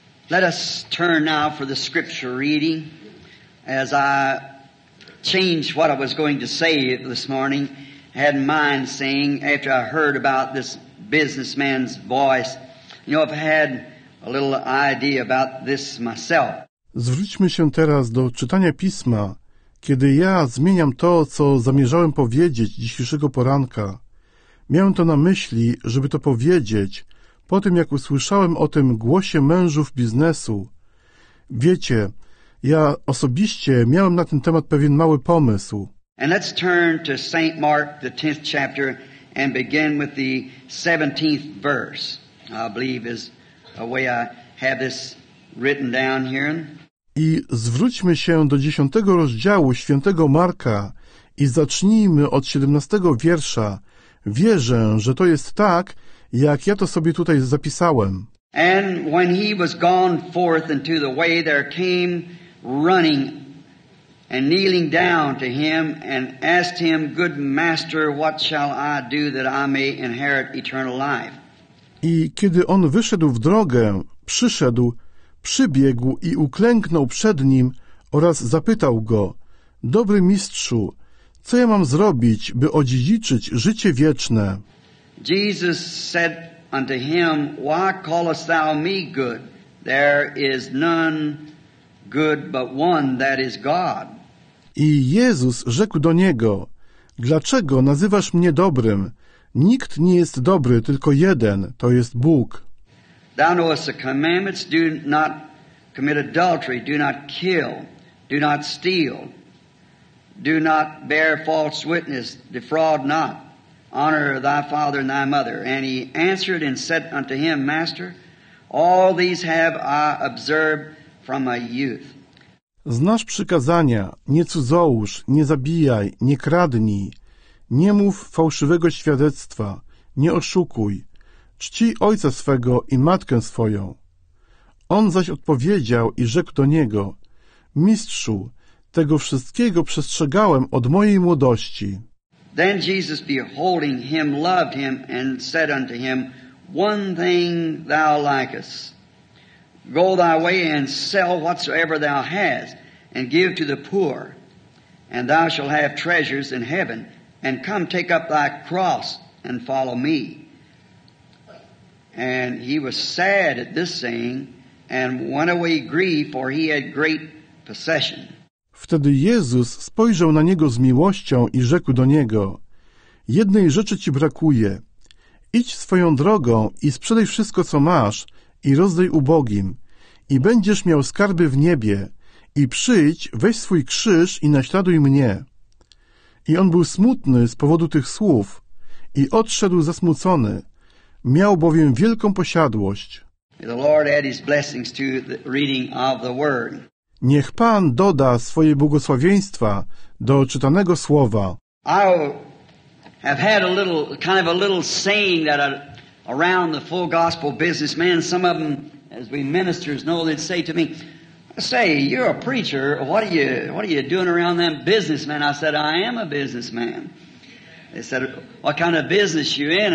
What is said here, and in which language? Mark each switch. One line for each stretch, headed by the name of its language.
English: Let us turn now for the scripture reading. As I changed what I was going to say this morning, I had in mind saying after I heard about this businessman's voice, you know, I've had a little idea about this myself.
Polish: Zwróćmy się teraz do czytania pisma, kiedy ja zmieniam to, co zamierzałem powiedzieć dzisiejszego poranka. Miałem to na myśli, żeby to powiedzieć, po tym, jak usłyszałem o tym głosie mężów biznesu. Wiecie, ja osobiście miałem na ten temat pewien mały pomysł.
English: And let's turn to St. Mark, the 10th chapter, and begin with the 17th verse. I believe is a way I have this written down here.
Polish: I zwróćmy się do 10 rozdziału Świętego Marka i zacznijmy od 17 wiersza. Wierzę, że to jest tak, jak ja to sobie tutaj zapisałem.
English: And when he was gone forth into the way, there came running and kneeling down to him and asked him, good master, what shall I do that I may inherit eternal life?
Polish: I kiedy on wyszedł w drogę, przyszedł, przybiegł i uklęknął przed nim oraz zapytał go, dobry mistrzu, co ja mam zrobić, by odziedziczyć życie wieczne?
English: Jesus said unto him, why callest thou me good? There is none good but one, that is God.
Polish: I Jezus rzekł do niego, dlaczego nazywasz mnie dobrym? Nikt nie jest dobry, tylko jeden, to jest Bóg.
English: Thou knowest the commandments, do not commit adultery, do not kill, do not steal, do not bear false witness, defraud not. honor thy father and thy mother. And he answered and said unto him, Master, all these have I observed from my youth.
Polish: Znasz przykazania, nie cudzołóż, nie zabijaj, nie kradnij, nie mów fałszywego świadectwa, nie oszukuj, czcij ojca swego i matkę swoją. On zaś odpowiedział i rzekł do niego, Mistrzu, tego wszystkiego przestrzegałem od mojej młodości.
English: Then Jesus beholding him loved him and said unto him, One thing thou likest. Go thy way and sell whatsoever thou hast, and give to the poor, and thou shalt have treasures in heaven, and come take up thy cross and follow me. And he was sad at this saying, and went away grieved, for he had great possession.
Polish: Wtedy Jezus spojrzał na niego z miłością i rzekł do niego, Jednej rzeczy ci brakuje. Idź swoją drogą i sprzedaj wszystko, co masz, i rozdaj ubogim, i będziesz miał skarby w niebie, i przyjdź, weź swój krzyż i naśladuj mnie. I on był smutny z powodu tych słów, i odszedł zasmucony, miał bowiem wielką posiadłość.
English: The Lord add his blessings to the reading of the word.
Polish: Niech Pan doda swoje błogosławieństwa do czytanego słowa.
English: I have had a little, kind of a little saying that I... Around the full gospel businessmen, some of them, as we ministers know, they'd say to me, I say, you're a preacher, what are you doing around them businessmen? I said, I am a businessman. They said, what kind of business you in?